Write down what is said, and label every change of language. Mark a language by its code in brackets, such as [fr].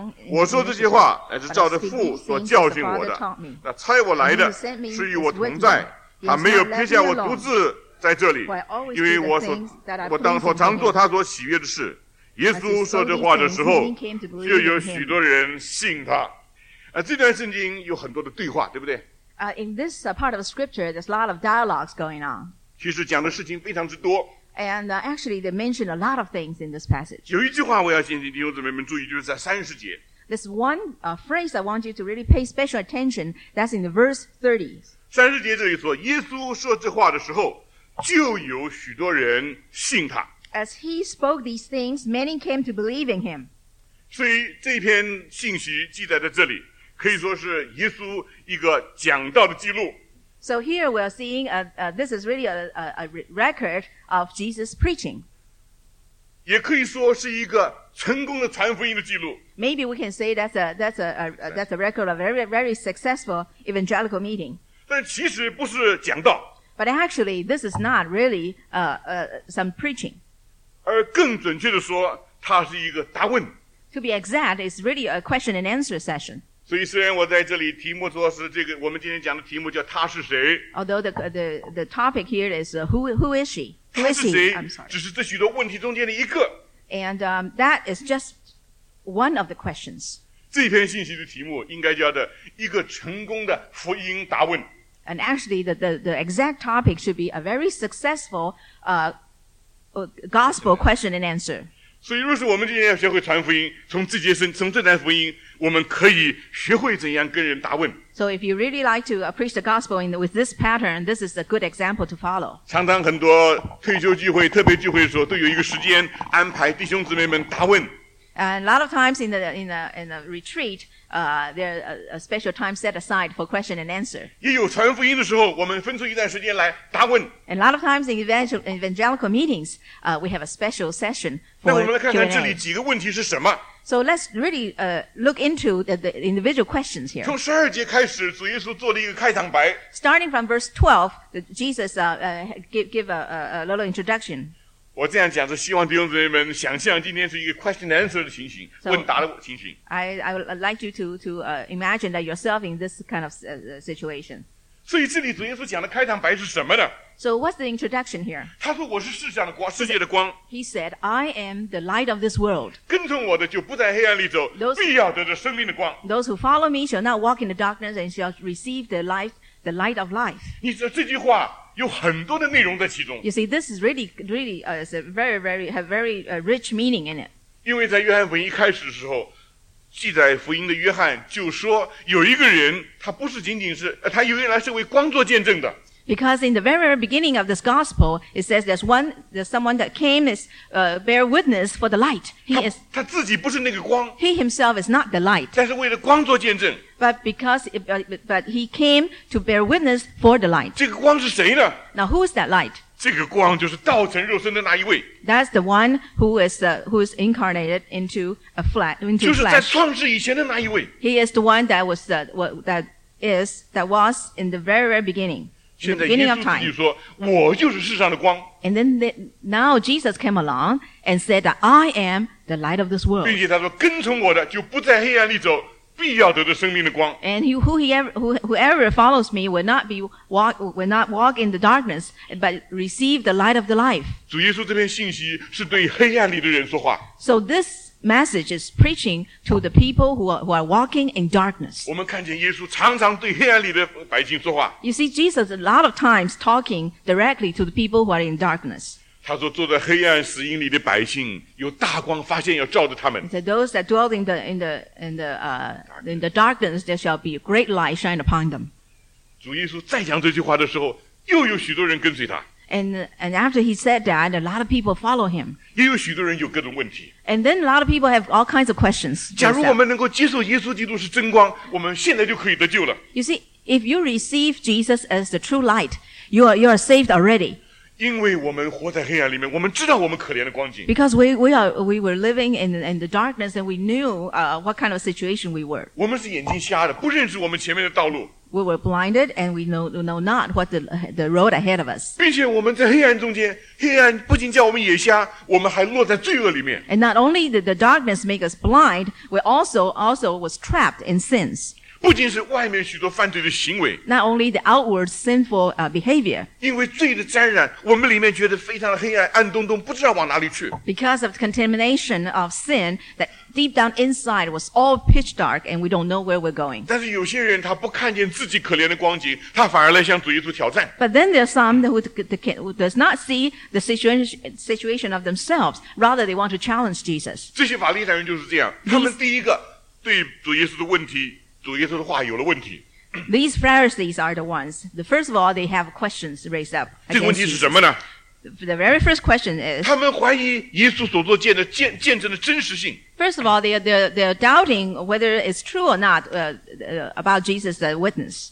[zh] 我说这些话乃是照着父所教训我的，那差我来的是与我同在，他没有撇下我独自在这里，因为我常做他所喜悦的事。耶稣说这话的时候，就有许多人信他。这段圣经有很多的对话，对不对？ [en] In this part of the scripture, there's a lot of dialogues going on. [zh] 其实讲的事情非常之多。 [en] And actually, they mention a lot of things in this passage. [zh] 有一句话我要请弟兄姊妹们注意，就是在三十节。 [en] This one phrase I want you to really pay special attention. That's in the verse 30. [zh] 三十节这里说，耶稣说这话的时候，就有许多人信他。 [en] As he spoke these things, many came to believe in him. [zh] 所以这篇信息记载在这里，可以说是耶稣一个讲道的记录。 [en] So here we are seeing, this is really a record of Jesus preaching. [zh] 也可以说是一个成功的传福音的记录。 [en] Maybe we can say that's a record of a very, very successful evangelical meeting. [zh] 但其实不是讲道。 [en] But actually, this is not really some preaching. [zh] 而更准确地说，它是一个答问。 [en] To be exact, it's really a question and answer session. [zh] 所以虽然我在这里题目说是这个，我们今天讲的题目叫他是谁。 [en] Although the topic here is who is she? [zh] 他是谁？ [en] I'm sorry. [zh] 只是这许多问题中间的一个。 [en] And that is just one of the questions. [zh] 这篇信息的题目应该叫做一个成功的福音答问。 [en] And actually, the exact topic should be a very successful, Gospel question and answer. [zh] 所以，若是我们今天要学会传福音，从这段福音，我们可以学会怎样跟人答问。 [en] So, if you really like to preach the gospel with this pattern, this is a good example to follow. [zh] 常常很多退休聚会、特别聚会的时候，都有一个时间安排弟兄姊妹们答问。 [en] And a lot of times in the retreat, there are a special time set aside for question and answer. [zh] 也有传福音的时候，我们分出一段时间来答问。 [en] And a lot of times in evangelical meetings, we have a special session for [zh] Q&A. 那我们来看看这里几个问题是什么。 [en] So let's really look into the individual questions here. [zh] 从十二节开始，主耶稣做了一个开场白。 [en] Starting from verse 12, Jesus give a little introduction. [zh] 我这样讲是希望弟兄姊妹们想象今天是一个 [en] question and answer [zh] 的情形 [en] so, [zh] 问答的情形 [en] I would like you to imagine that yourself in this kind of situation [zh] 所以这里主耶稣讲的开场白是什么呢 [en] So what's the introduction here? [zh] 他说我是世上的光世界的光 [en] He said I am the light of this world [zh] 跟从我的就不在黑暗里走 [en] those, [zh] 必要得着生命的光 [en] Those who follow me shall not walk in the darkness and shall receive the light of life [zh] 你说这句话有很多的内容在其中。 [en] You see, this is really, a very, very, have very, rich meaning in it. [zh] 因为在约翰福音一开始的时候，记载福音的约翰就说，有一个人，他不是仅仅是，他有原来是为光做见证的。 [en] Because in the very, very beginning of this gospel, it says there's someone that came is, bear witness for the light. [zh] He自己不是那个光。 [en] He himself is not the light. [zh] 但是为了光做见证。 [en] But because, but he came to bear witness for the light. [zh] 这个光是谁呢? [en] Now who is that light? [zh] 这个光就是道成肉身的那一位。 [en] That's the one who is incarnated into a flesh. [zh] 就是在创世以前的那一位。 [en] He is the one that was, that was in the very, very beginning. [zh] 现在耶稣自己说我就是世上的光 [en] And then now Jesus came along and said that I am the light of this world [zh] 并且他说跟从我的就不在黑暗里走必要得着生命的光 [en] And whoever follows me will not walk in the darkness but receive the light of the life [zh] 主耶稣这篇信息是对黑暗里的人说话 [en] So this message is preaching to the people who are walking in darkness. [zh] 我们看见耶稣常常对黑暗里的百姓说话。 [en] You see, Jesus a lot of times talking directly to the people who are in darkness. [zh] 他说坐在黑暗死荫里的百姓有大光发现要照着他们。 [en] He said, those that dwell in the darkness, there shall be a great light shine upon them. [zh] 主耶稣再讲这句话的时候又有许多人跟随他。 [en] And after he said that, a lot of people follow him. [zh] 也有许多人有各种问题。 [en] And then a lot of people have all kinds of questions. [zh] 假如我们能够接受耶稣基督是真光，我们现在就可以得救了。 [en] You see, if you receive Jesus as the true light, you are saved already. [zh] 因为我们活在黑暗里面，我们知道我们可怜的光景。 [en] Because we were living in the darkness, and we knew what kind of situation we were. [zh] 我们是眼睛瞎的，不认识我们前面的道路。 [en] We were blinded and we know not what the road ahead of us. [zh] 并且我们在黑暗中间，黑暗不仅叫我们眼瞎，我们还落在罪恶里面。 [en] And not only did the darkness make us blind, we also was trapped in sins. [zh] 不仅是外面许多犯罪的行为。 [en] Not only the outward sinful behavior. [zh] 因为罪的沾染，我们里面觉得非常的黑暗，暗洞洞，不知道往哪里去。 [en] Because of the contamination of sin, that deep down inside was all pitch dark and we don't know where we're going. [zh] 但是有些人他不看见自己可怜的光景他反而来向主耶稣挑战。 [en] But then there are some who does not see the situation of themselves, rather they want to challenge Jesus. [zh] 这些法利赛人就是这样他们第一个对主耶稣的问题主耶稣的话有了问题。 [en] These Pharisees are the ones. The first of all, they have questions raised up. [zh] 这个问题是什么呢? [en] The very first question is, [zh] 他们怀疑耶稣所做见证的真实性。 [en] First of all, they are doubting whether it's true or not, about Jesus, the witness.